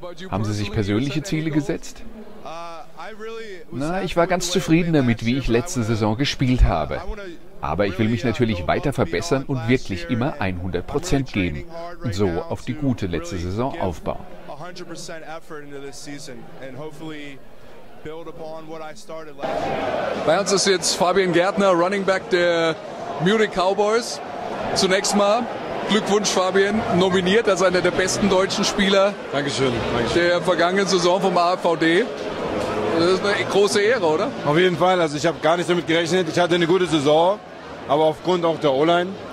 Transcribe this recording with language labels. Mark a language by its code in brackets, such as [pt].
[de] Haben Sie sich persönliche Ziele gesetzt? Na, ich war ganz zufrieden damit, wie ich letzte Saison gespielt habe. Aber ich will mich natürlich weiter verbessern und wirklich immer 100% geben und so auf die gute letzte Saison aufbauen. [en] 100% effort into this season and hopefully build upon what I started last year. [de] Bei uns ist jetzt Fabian Gärtner, Running Back der Munich Cowboys. Zunächst mal Glückwunsch, Fabian, nominiert als einer der besten deutschen Spieler. Dankeschön. Der vergangenen Saison vom AVD. Das ist eine große Ehre, oder? Auf jeden Fall. Also ich habe gar nicht damit gerechnet. Ich hatte eine gute Saison, aber aufgrund auch der O-Line.